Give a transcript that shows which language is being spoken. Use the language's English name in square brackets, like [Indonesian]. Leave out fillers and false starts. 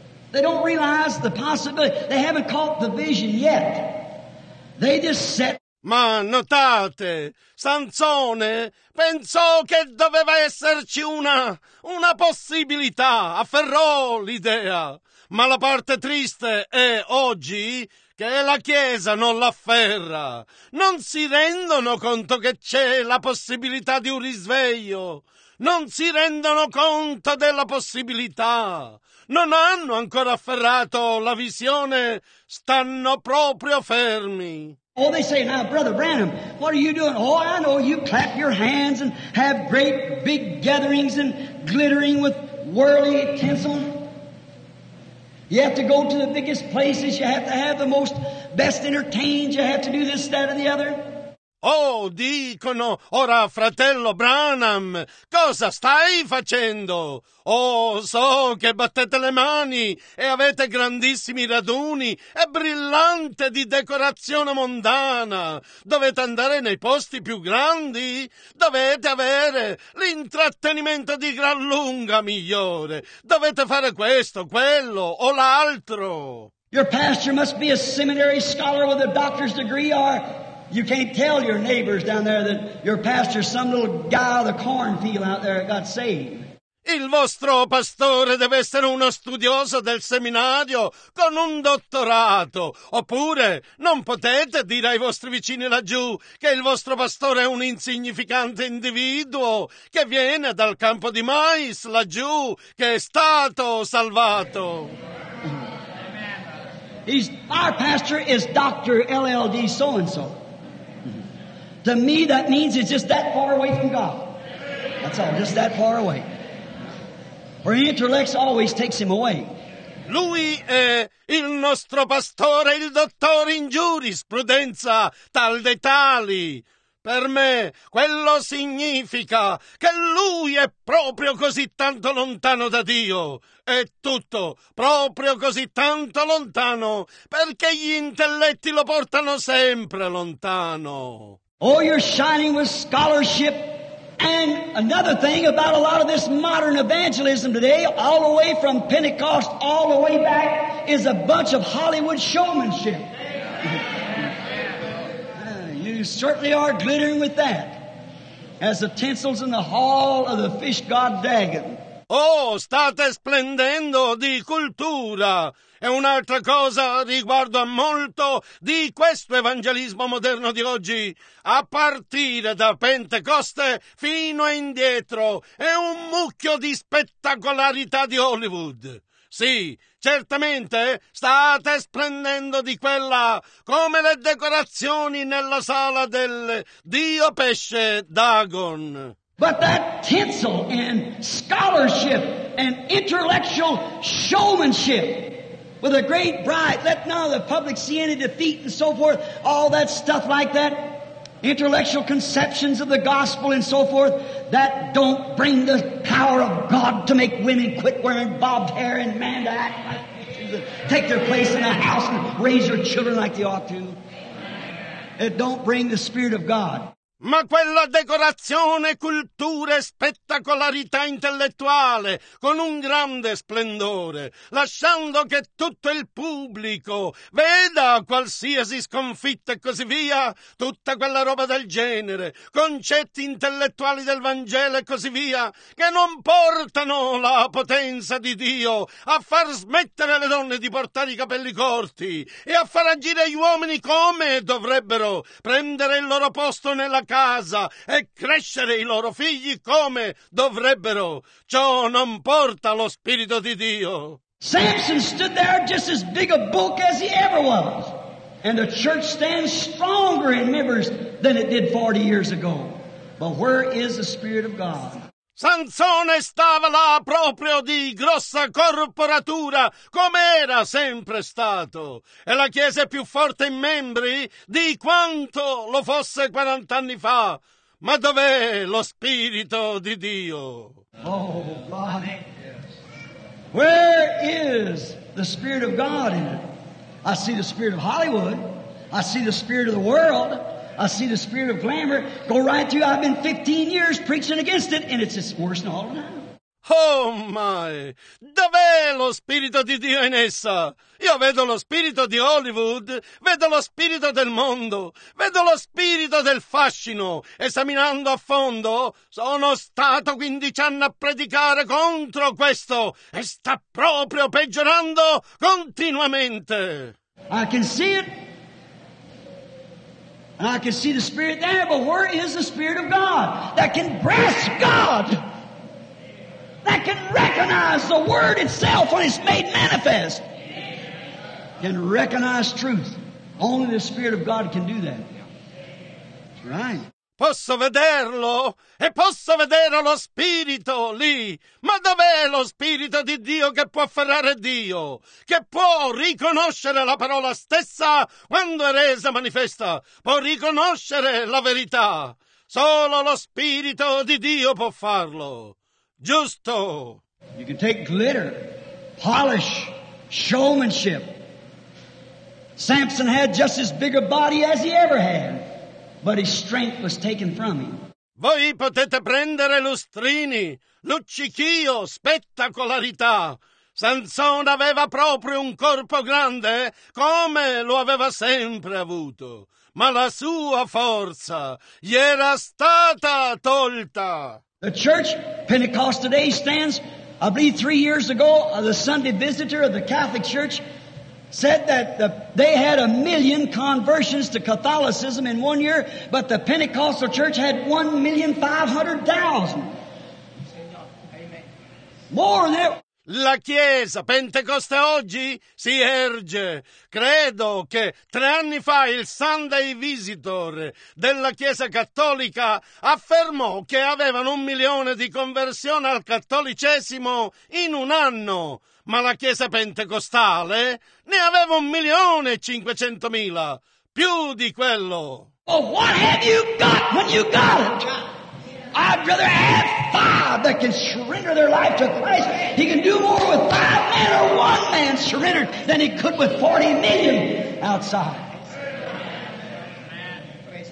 [English] They don't realize the possibility. They haven't caught the vision yet. They just set. [Italian] Ma notate, Sansone pensò che doveva esserci una possibilità, afferrò l'idea. Ma la parte triste è oggi che la Chiesa non l'afferra. Non si rendono conto che c'è la possibilità di un risveglio. Non si rendono conto della possibilità. Non hanno ancora afferrato la visione. Stanno proprio fermi. [English] Oh, they say, now, Brother Branham, what are you doing? Oh, I know, you clap your hands and have great big gatherings and glittering with worldly tinsel. You have to go to the biggest places, you have to have the most best entertained, you have to do this, that, or the other. [Italian] Oh, dicono, ora, fratello Branham, cosa stai facendo? Oh, so che battete le mani e avete grandissimi raduni e brillante di decorazione mondana. Dovete andare nei posti più grandi? Dovete avere l'intrattenimento di gran lunga migliore. Dovete fare questo, quello o l'altro. [English] Your pastor must be a seminary scholar with a doctor's degree or... You can't tell your neighbors down there that your pastor's some little guy out of the cornfield out there that got saved. [Italian] Il vostro pastore deve essere uno studioso del seminario con un dottorato. Oppure non potete dire ai vostri vicini laggiù che il vostro pastore è un insignificante individuo che viene dal campo di mais laggiù, che è stato salvato. [English] Our pastor is Dr. LLD so-and-so. To me, that means it's just that far away from God. That's all, just that far away. For intellect always takes him away. [Italian] Lui è il nostro pastore, il dottore in giurisprudenza, tal dei tali. Per me, quello significa che lui è proprio così tanto lontano da Dio. È tutto proprio così tanto lontano, perché gli intelletti lo portano sempre lontano. [English] Oh, you're shining with scholarship. And another thing about a lot of this modern evangelism today, all the way from Pentecost all the way back, is a bunch of Hollywood showmanship. You certainly are glittering with that, as the tinsels in the hall of the fish god Dagon. [Italian] Oh, state splendendo di cultura! E un'altra cosa riguardo a molto di questo evangelismo moderno di oggi, a partire da Pentecoste fino indietro, è un mucchio di spettacolarità di Hollywood. Sì, certamente state splendendo di quella, come le decorazioni nella sala del Dio Pesce Dagon. [English] But that tinsel and scholarship and intellectual showmanship with a great bright, let none of the public see any defeat and so forth, all that stuff like that, intellectual conceptions of the gospel and so forth, that don't bring the power of God to make women quit wearing bobbed hair and man to act like bitches and take their place in the house and raise their children like they ought to. It don't bring the Spirit of God. [Italian] Ma quella decorazione, cultura e spettacolarità intellettuale, con un grande splendore, lasciando che tutto il pubblico veda qualsiasi sconfitta e così via, tutta quella roba del genere, concetti intellettuali del Vangelo e così via, che non portano la potenza di Dio a far smettere le donne di portare i capelli corti e a far agire gli uomini come dovrebbero prendere il loro posto nella casa e crescere i loro figli come dovrebbero. Ciò non porta lo Spirito di Dio. [English] Samson stood there just as big a bulk as he ever was. And the church stands stronger in members than it did 40 years ago. But where is the Spirit of God? [Italian] Sansone stava là proprio di grossa corporatura, come era sempre stato. E la Chiesa è più forte in membri di quanto lo fosse 40 anni fa. Ma dov'è lo Spirito di Dio? [English] Oh, God. Where is the Spirit of God in it? I see the Spirit of Hollywood. I see the Spirit of the world. I see the Spirit of glamour go right through. I've been 15 years preaching against it, and it's just worse than all now. Oh my! [Italian] Dov'è lo Spirito di Dio in essa? Io vedo lo Spirito di Hollywood, vedo lo Spirito del mondo, vedo lo Spirito del fascino. Esaminando a fondo, sono stato 15 anni a predicare contro questo, e sta proprio peggiorando continuamente. [English] I can see it. And I can see the Spirit there, but where is the Spirit of God that can grasp God, that can recognize the Word itself when it's made manifest, can recognize truth? Only the Spirit of God can do that. That's right. [Italian] Posso vederlo e posso vedere lo Spirito lì, ma dov'è lo Spirito di Dio che può afferrare Dio, che può riconoscere la parola stessa quando è resa manifesta, può riconoscere la verità? Solo lo Spirito di Dio può farlo, giusto? [English] You can take glitter, polish, showmanship. Samson had just as big a body as he ever had. But his strength was taken from him. [Italian] Voi potete prendere lustrini, luccichio, spettacolarità. Sansone aveva proprio un corpo grande, come lo aveva sempre avuto. Ma la sua forza gli era stata tolta. [English] The church, Pentecost today, stands. I believe 3 years ago, the Sunday visitor of the Catholic Church said that they had 1 million conversions to Catholicism in 1 year, but the Pentecostal church had 1,500,000. More than that. [Italian] La Chiesa Pentecoste oggi si erge. Credo che 3 anni fa il Sunday Visitor della Chiesa Cattolica affermò che avevano 1 milione di conversioni al cattolicesimo in 1 anno. Ma la Chiesa Pentecostale ne aveva 1,500,000, più di quello. [English] Oh, what have you got when you got it? I'd rather have 5 that can surrender their life to Christ. He can do more with 5 men or 1 man surrendered than he could with 40 million outside. Praise